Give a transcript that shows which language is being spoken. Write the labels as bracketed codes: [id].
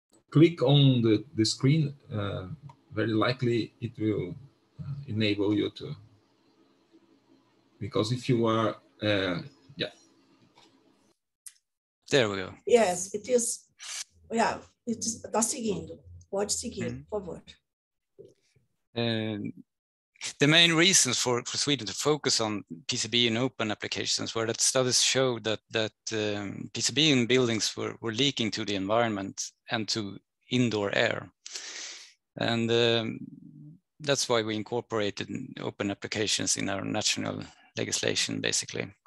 [en] Click on the screen, very likely it will enable you to, because if you are, There we go. Yes, it is, yeah, it is, [pt] tá seguindo, pode seguir, [en] mm-hmm. [pt] Por favor. [en] The main reasons for Sweden to focus on PCB in open applications were that studies showed that PCB in buildings were leaking to the environment and to indoor air. And that's why we incorporated open applications in our national legislation, basically.